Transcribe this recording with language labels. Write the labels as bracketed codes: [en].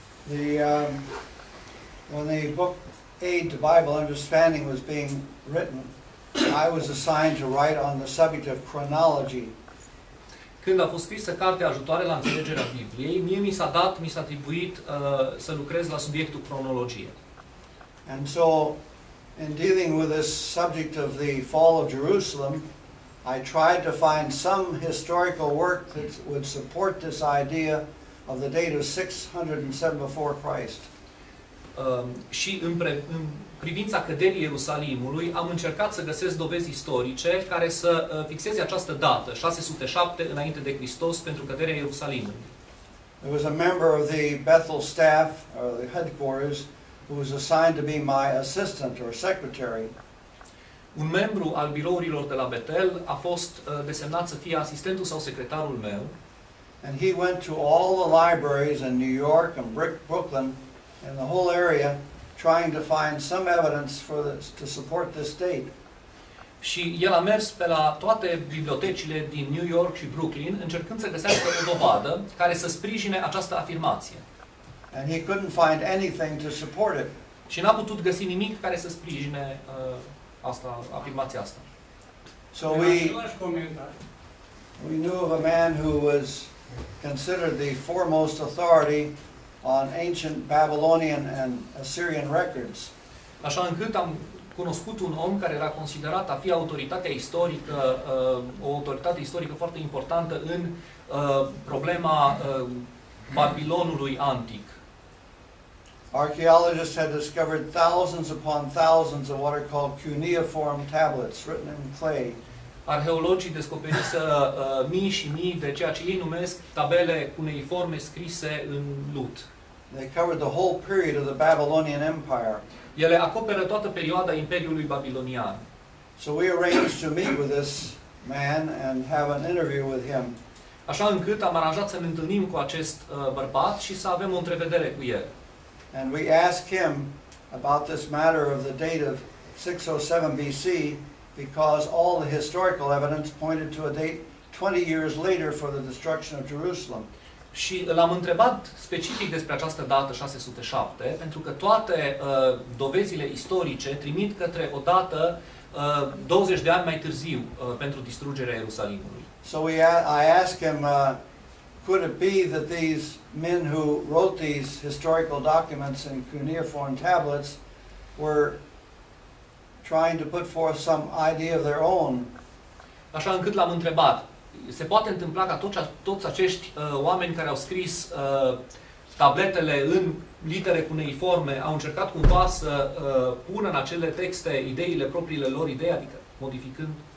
[en] The when the book Aid to Bible Understanding was being written, I was assigned to write on the subject of chronology. [ro] Când a fost scrisă cartea ajutoare la înțelegerea Bibliei, mie mi s-a atribuit să lucrez la subiectul cronologie. [en] And so, in dealing with this subject of the fall of Jerusalem, I tried to find some historical work that would support this idea of the date of 607 before Christ. [ro] Și în privința căderii Ierusalimului, am încercat să găsesc dovezi istorice care să fixeze această dată, 607 înainte de Hristos, pentru căderea Ierusalimului. [en] There was a member of the Bethel staff, or the headquarters, who was assigned to be my assistant or secretary. [ro] Un membru al birourilor de la Betel a fost desemnat să fie asistentul sau secretarul meu. [en] And he went to all the libraries in New York and Brooklyn and the whole area trying to find some evidence for this, to support this date. [ro] Și el a mers pe la toate bibliotecile din New York și Brooklyn încercând să găsească o dovadă care să sprijine această afirmație. [en] And he couldn't find anything to support it. [ro] Și n-a putut găsi nimic care să sprijine asta, afirmația asta. [en] So we knew of a man who was considered the foremost authority on ancient Babylonian and Assyrian records. [ro] Așa încât am cunoscut un om care era considerat a fi autoritatea istorică, o autoritate istorică foarte importantă în problema Babilonului antic. [en] Archaeologists had discovered thousands upon thousands of what are called cuneiform tablets written in clay [ro] arheologii descoperiseră mii și mii de ceea ce ei numesc tabele cuneiforme scrise în lut. [en] They covered the whole period of the Babylonian Empire. [ro] Ele acoperă toată perioada Imperiului Babilonian. [en] So we arranged to meet with this man and have an interview with him. [ro] Așa încât am aranjat să ne întâlnim cu acest bărbat și să avem o întrevedere cu el. [en] And we asked him about this matter of the date of 607 BC because all the historical evidence pointed to a date 20 years later for the destruction of Jerusalem. [ro] Și l-am întrebat specific despre această dată 607, pentru că toate dovezile istorice trimit către o dată 20 de ani mai târziu pentru distrugerea Ierusalimului. [en] So I asked him, could it be that these men who wrote these historical documents in cuneiform tablets were trying to put forth some idea of their own? [ro] Așa încât l-am întrebat, se poate întâmpla ca toți acești oameni care au scris tabletele în litere cuneiforme au încercat cumva să pună în acele texte ideile propriile lor idei, adică modificând?